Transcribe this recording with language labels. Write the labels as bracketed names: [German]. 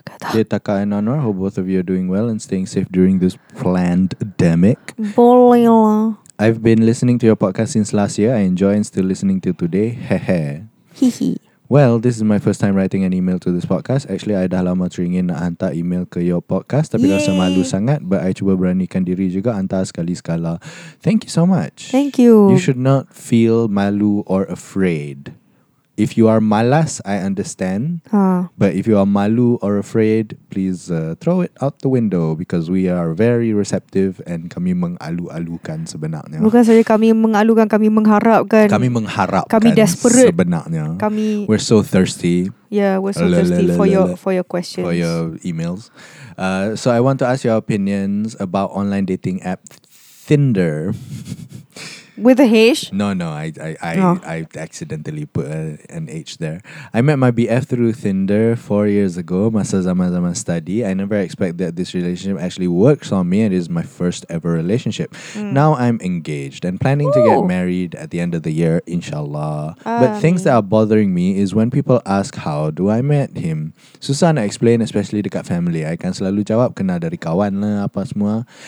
[English] Dear Taka and Anwar, hope both of you are doing well and staying safe during this pandemic. I've been listening to your podcast since last year. I enjoy and still listening till today. Hehe. Well, this is my first time writing an email to this podcast. Actually, I [Malay] dah lama teringin nak hantar email ke [English] your podcast. [Malay] Tapi rasa malu sangat. [English] But I [Malay] cuba beranikan diri juga hantar sekali-sekala. [English] Thank you so much. Thank you. You should not feel malu or afraid. If you are malas, I understand. But if you are malu or afraid, please throw it out the window because we are very receptive and [Malay] kami mengalu-alukan sebenarnya. Bukan saja kami mengalukan, kami mengharapkan. Kami mengharapkan. Kami desperate sebenarnya. Kami. [English] We're so thirsty. Yeah, we're so thirsty for your questions, for your emails. So I want to ask your opinions about online dating app Tinder. With a H? No, no. I accidentally put an H there. I met my BF through Tinder 4 years ago. [Malay] Masa zaman-zaman study. [English] I never expected that this relationship actually works on me. It is my first ever relationship. Mm. Now I'm engaged and planning to get married at the end of the year, inshallah. But things that are bothering me is when people ask, how do I meet him? [Malay] Susah nak explain, [English] especially [Malay] dekat family. I kan selalu jawab, kena dari kawan lah, apa semua.